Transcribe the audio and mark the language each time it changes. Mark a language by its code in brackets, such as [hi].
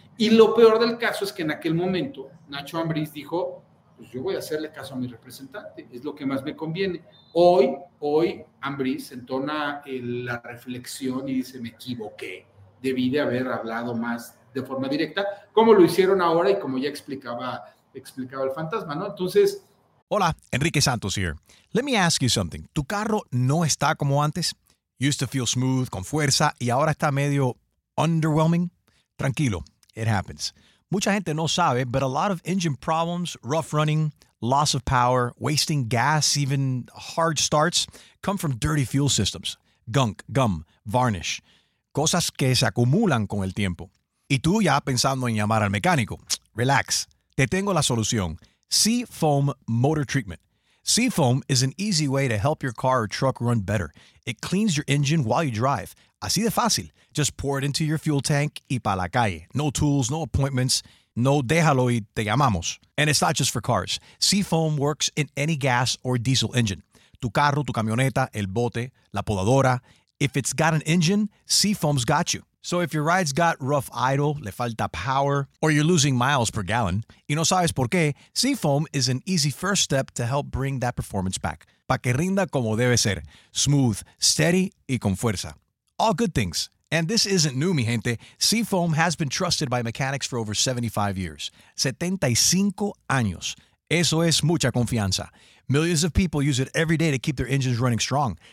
[es] Y lo peor del caso es que en aquel momento Nacho Ambriz dijo, pues yo voy a hacerle caso a mi representante, es lo que más me conviene. Hoy Ambriz entona la reflexión y dice, me equivoqué, debí de haber hablado más de forma directa, como lo hicieron ahora y como ya explicaba el Fantasma, ¿no? Entonces, [en] hola, Enrique Santos here. Let me ask you something. [es] ¿Tu carro no está como antes? [en] Used to feel smooth, [es] con fuerza, y ahora está medio underwhelming? [en] Tranquilo, it happens. [es] Mucha gente no sabe, [en] but a lot of engine problems, rough running, loss of power, wasting gas, even hard starts, come from dirty fuel systems. Gunk, gum, varnish. [es] Cosas que se acumulan con el tiempo. Y tú ya pensando en llamar al mecánico. Relax. Te tengo la solución. Seafoam Motor Treatment. [en] Seafoam is an easy way to help your car or truck run better. It cleans your engine while you drive. [es] Así de fácil. [en] Just pour it into your fuel tank [es] y pa' la calle. [en] No tools, no appointments, [es] no déjalo y te llamamos. [en] And it's not just for cars. Seafoam works in any gas or diesel engine. [es] Tu carro, tu camioneta, el bote, la podadora. [en] If it's got an engine, Seafoam's got you. So if your ride's got rough idle, [es] le falta [en] power, or you're losing miles per gallon, [es] y no sabes por qué, [en] Seafoam is an easy first step to help bring that performance back. [es] para que rinda como debe ser, [en] smooth, steady [es] y con fuerza. [en] All good things. And this isn't new, [es] mi gente. [en] Seafoam has been trusted by mechanics for over 75 years. [es] 75 años. Eso es mucha confianza. [en] Millions of people use it every day to keep their engines running strong.